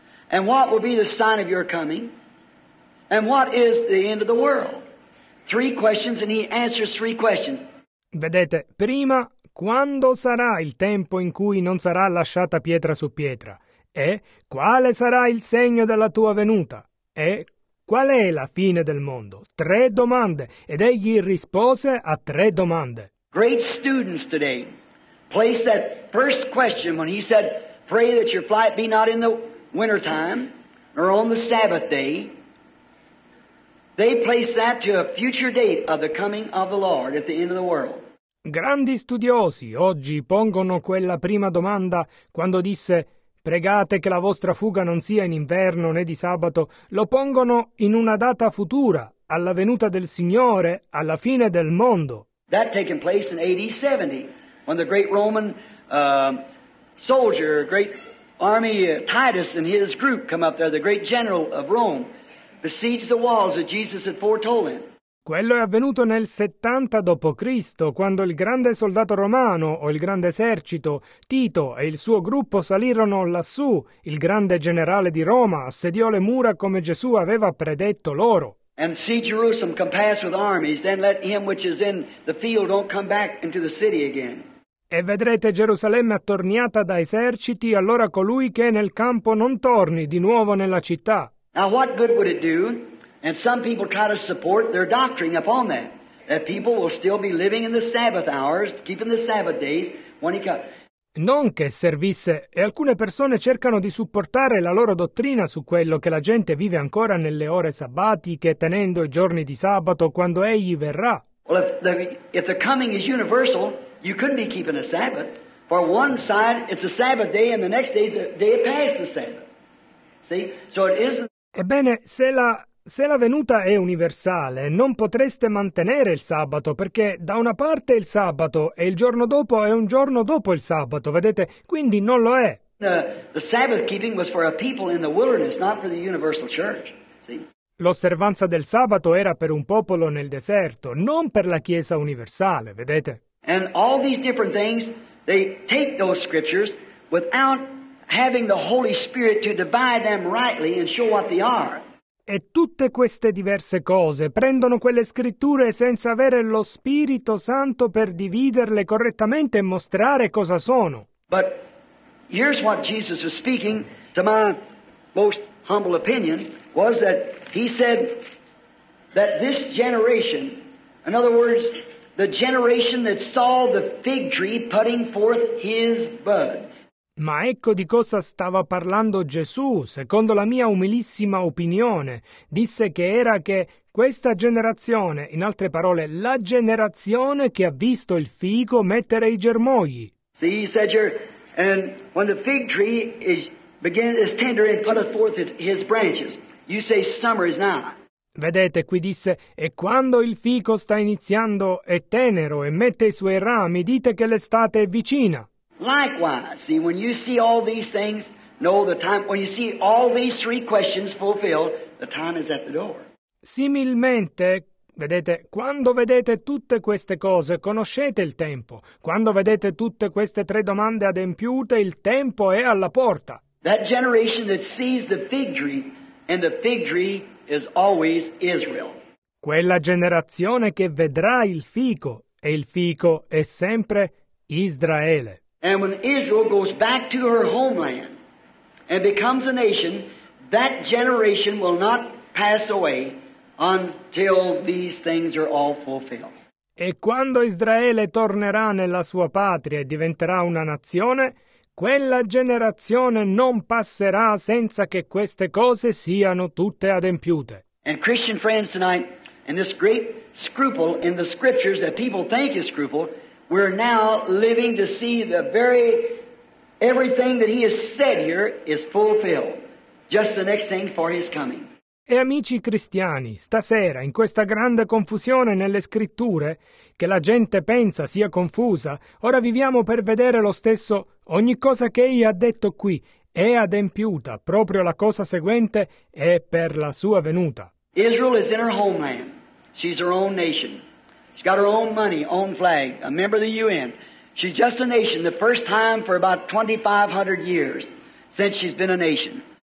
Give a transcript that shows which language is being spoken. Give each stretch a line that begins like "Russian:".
English: And what will be the sign of your coming? And what is the end of the world? Three questions and he answers three questions.
Italian: Vedete, prima, quando sarà il tempo in cui non sarà lasciata pietra su pietra? E quale sarà il segno della tua venuta? E qual è la fine del mondo? Tre domande. Ed egli rispose a tre domande.
English: Great students today place that first question when he said, Pray that your flight be not in the winter time nor on the Sabbath day. They place that to a future date of the coming of the Lord at the end of the world.
Italian: Grandi studiosi oggi pongono quella prima domanda quando disse pregate che la vostra fuga non sia in inverno né di sabato, lo pongono in una data futura, alla venuta del Signore, alla fine del mondo.
English: That taken place in AD 70 when the great Roman soldier, great army Titus and his group come up there, the great general of Rome. Besieged the walls that Jesus had foretold him.
Italian: Quello è avvenuto nel 70 dopo Cristo, quando il grande soldato romano o il grande esercito Tito e il suo gruppo salirono lassù, il grande generale di Roma assediò le mura come Gesù aveva predetto loro.
English: And see Jerusalem compassed with armies, then let him which is in the field don't come back into the city again.
Italian: E vedrete Gerusalemme attorniata da eserciti, allora colui che è nel campo non torni di nuovo nella città.
English: Now what good would it do, and some people try to support their doctrine upon that, that people will still be living in the Sabbath hours, keeping the Sabbath days, when he comes.
Italian: Non che servisse, e alcune persone cercano di supportare la loro dottrina su quello che la gente vive ancora nelle ore sabbatiche, tenendo i giorni di sabato, quando egli verrà.
English: Well, if the coming is universal, you couldn't be keeping a Sabbath. For one side, it's a Sabbath day, and the next day is a day past the Sabbath. So it isn't...
Italian: Ebbene, se la venuta è universale, non potreste mantenere il sabato, perché da una parte è il sabato e il giorno dopo è un giorno dopo il sabato, vedete? Quindi non lo è.
English: The Sabbath keeping was for a people in the wilderness, not for the universal church.
Italian: L'osservanza del sabato era per un popolo nel deserto, non per la Chiesa universale, vedete?
English: And all these different things They take those scriptures without having the Holy Spirit to divide them rightly and show what they are.
Italian: E tutte queste diverse cose prendono quelle scritture senza avere lo Spirito Santo per dividerle correttamente e mostrare cosa sono.
English: But here's what Jesus was speaking, to my most humble opinion, was that he said that this generation, in other words, the generation that saw the fig tree putting forth his buds.
Italian: Ma ecco di cosa stava parlando Gesù, secondo la mia umilissima opinione. Disse che era che questa generazione, in altre parole, la generazione che ha visto il figo mettere i germogli.
English: See, he said here, and when the fig tree is tender and putteth forth his branches, you say summer is now.
Italian: Vedete, qui disse, e quando il fico sta iniziando, è tenero e mette i suoi rami, dite che l'estate è vicina.
English: Likewise, see, when you see all these things, know the time, when you see all these three questions fulfilled, the time is at the door.
Italian: Similmente, vedete, quando vedete tutte queste cose, conoscete il tempo. Quando vedete tutte queste tre domande adempiute, il tempo è alla porta.
English: That generation that sees the fig tree, and the fig tree is always Israel.
Italian: Quella generazione che vedrà il fico è sempre Israele.
English: And when Israel goes back to her homeland and becomes a nation, that generation will not pass away until these things are all fulfilled.
Italian: E quando Israele tornerà nella sua patria e diventerà una nazione, quella generazione non passerà senza che queste cose siano tutte adempiute.
English: And Christian friends tonight, in this great scruple in the scriptures that people think is scruple, we're now living to see the very everything that he has said here is fulfilled. Just the next thing for his coming.
Italian: E amici cristiani, stasera, in questa grande confusione nelle scritture, che la gente pensa sia confusa, ora viviamo per vedere lo stesso. Ogni cosa che egli ha detto qui è adempiuta, proprio la cosa seguente è per la sua venuta.
English: Israel is in her homeland. She's her own nation. She's got her own money, own flag, a member of the UN. She's just a nation, the first time for about 2500 years since she's been a nation.